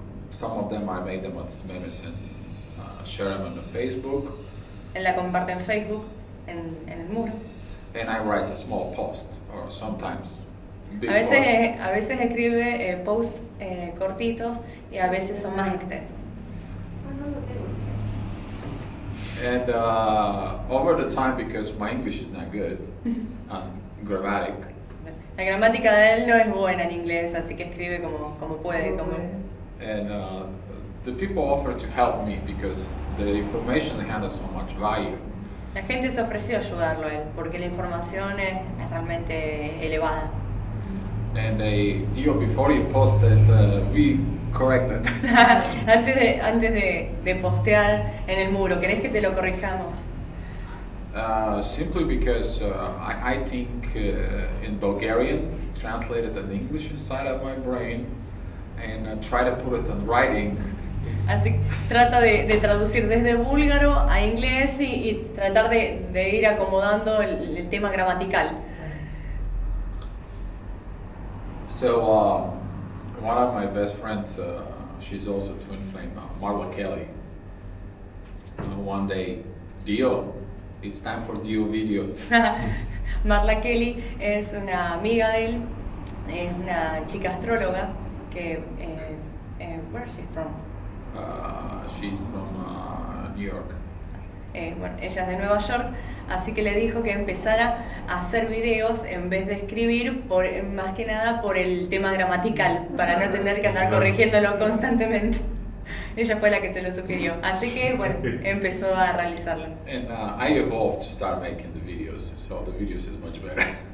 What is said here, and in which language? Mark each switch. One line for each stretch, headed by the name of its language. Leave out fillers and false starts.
English: Some of them I made them at memes and share them on the Facebook.
Spanish: En la comparte en Facebook, en el muro.
English: And I write a small post, or sometimes big posts.
Spanish: A veces escribe posts cortitos y a veces son más extensos.
English: And over the time, because my English is not good, grammatic.
Spanish: La gramática de él no es buena en inglés, así que escribe como puede. Okay. Como.
English: And the people offered to help me because the information had so much value.
Spanish: La gente se ofreció ayudarlo a él porque la información es realmente elevada.
English: And they, Dio, before you posted, we corrected.
Spanish: antes de postear en el muro, ¿querés que te lo corrijamos?
English: Simply because I think in Bulgarian, translated in English inside of my brain, and I try to put it in writing.
Spanish: Así, trata de traducir desde búlgaro a inglés y tratar de ir acomodando el tema gramatical.
English: So, one of my best friends, she's also a twin flame, Marla Kelly. One day, Dio, it's time for Dio videos.
Spanish: Marla Kelly es una amiga de él, es una chica astróloga que,
English: where is she from? She's from New York.
Spanish: Bueno, ella es de Nueva York, así que le dijo que empezara a hacer videos en vez de escribir, por más que nada por el tema gramatical, para no tener que andar corrigiéndolo constantemente. Ella fue la que se lo sugirió, así que bueno, empezó a realizarlo.
English: And I evolved to start making the videos, so the videos is much better.